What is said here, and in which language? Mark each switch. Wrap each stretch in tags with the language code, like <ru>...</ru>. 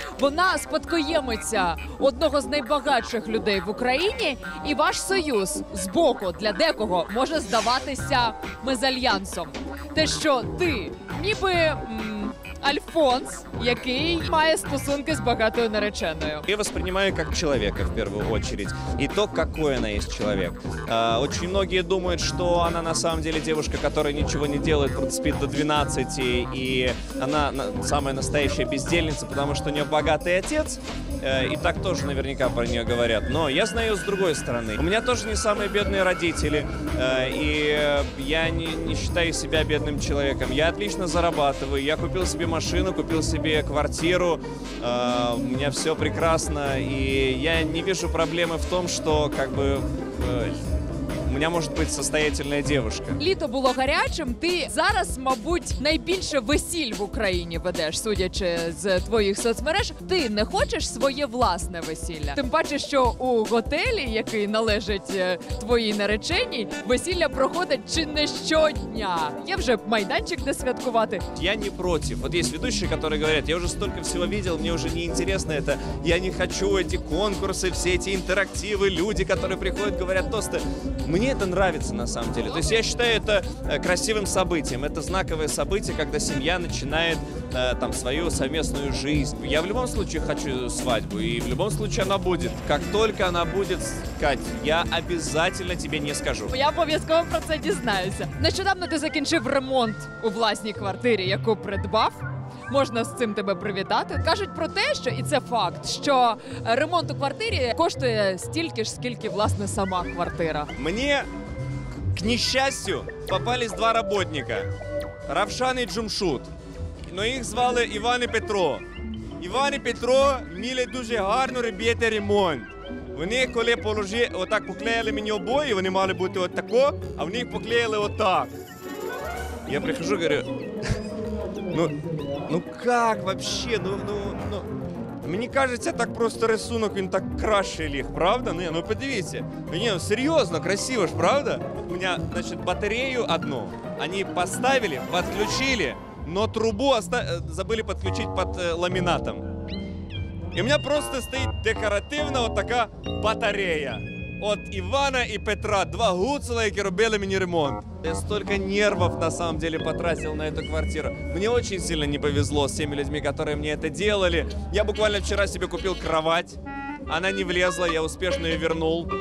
<uk>Вона спадкоємиця одного з найбагатших людей в Україні. І ваш союз збоку для декого може здаватися мезальянсом. Те, що ти ніби Альфонс, який має стосунки з багатою нареченою.</uk> <ru>Я воспринимаю как человека в первую очередь. И то, какой она есть человек. Очень многие думают, что она на самом деле девушка, которая ничего не делает, спит до 12, и она самая настоящая бездельница, потому что у нее богатый отец. И так тоже наверняка про нее говорят. Но я знаю ее с другой стороны. У меня тоже не самые бедные родители. И я не считаю себя бедным человеком. Я отлично зарабатываю. Я купил себе машину, купил себе квартиру. У меня все прекрасно. И я не вижу проблемы в том, что как бы... У меня может быть состоятельная девушка.</ru> <uk>Літо було гарячим, ти зараз, мабуть, найбільше весіль в Україні ведеш, судячи з твоїх соцмереж. Ти не хочеш своє власне весілля? Тим паче, що у готелі, який належить твоїй нареченій, весілля проходить чи не щодня. Є вже майданчик, де святкувати. Я не проти. От є ведучі, які говорять, я вже стільки всього бачив, мені вже не цікаво це. Я не хочу ці конкурси, всі ці інтерактиви, люди, які приходять, говорять тости.</uk> <ru>Мне это нравится на самом деле. То есть я считаю это красивым событием. Это знаковое событие, когда семья начинает там свою совместную жизнь. Я в любом случае хочу свадьбу, и в любом случае она будет. Как только она будет, Кать, я обязательно тебе не скажу.</ru> <uk>Я обов'язково про це дізнаюся. Нещодавно ти закінчив ремонт у власній квартирі, яку придбав. Можна з цим тебе привітати. Кажуть про те, що, і це факт, що ремонт у квартирі коштує стільки ж, скільки, власне, сама квартира. Мені, к нещастю, попались два робітника. Равшан і Джумшут. Но їх звали Іван і Петро. Іван і Петро мали дуже гарно робити ремонт. Вони коли положили, отак поклеїли мені обої, вони мали бути отако, а вони їх поклеїли отак.</uk> <ru>Я прихожу, говорю, Ну как вообще? Ну, мне кажется, так просто рисунок, он так краще лег, правда?</ru> <uk>Ну, подивите.</uk> <ru>Не, ну, серьезно, красиво ж, правда? У меня, значит, батарею одну они поставили, подключили, но трубу забыли подключить под ламинатом. И у меня просто стоит декоративно вот такая батарея.</ru> <uk>От Івана і Петра, два гуцула, які робили мені ремонт. Я стільки нервів,</uk> <ru>на самом деле,</ru> <uk>потратив на цю квартиру. Мені дуже сильно не повезло з тими людьми, які мені це робили. Я буквально вчора собі купив кровать, вона не влізла, я успішно її вернув.</uk>